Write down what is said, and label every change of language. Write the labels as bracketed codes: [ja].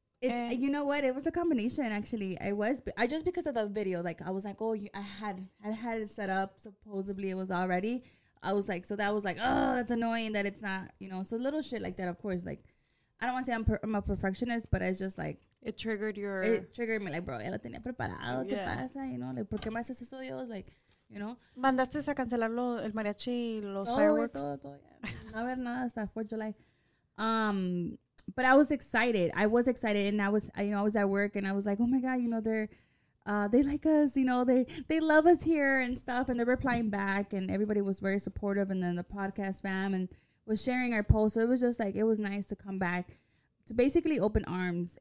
[en] You know what, it was a combination actually. I just because of the video, like I was like, oh, I had it set up, supposedly it was already. I was like, so that was like, oh, that's annoying that it's not, you know. So little shit like that, of course, like, I don't want to say I'm a perfectionist, but it's just like. It triggered me, like, bro, [es] ya la tenía preparado, ¿qué pasa? [en] You know, like, [es] ¿por qué me haces eso, Dios? [en] Like, you know. [es] ¿Mandaste a cancelarlo el mariachi y los fireworks? Todo, yeah. No haber nada hasta 4 de July. [en] But I was excited. And I was, you know, I was at work and I was like, oh, my God, you know, they like us, you know, they love us here and stuff. And they're replying back and everybody was very supportive. And then the podcast fam and was sharing our posts. So it was just like, it was nice to come back to basically open arms.